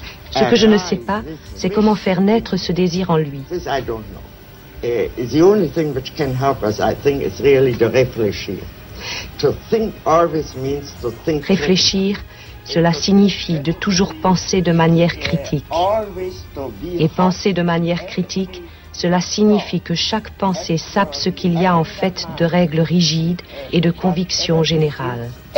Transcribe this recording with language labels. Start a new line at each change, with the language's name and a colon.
French: Ce que je ne sais pas, c'est comment faire naître ce désir en lui.
English: The only thing which can help us, I think, is really to
French: réfléchir.
English: To think always means to think.
French: Réfléchir. Cela signifie de toujours penser de manière critique. Et penser de manière critique, cela signifie que chaque pensée sape ce qu'il y a en fait de règles rigides et de convictions générales.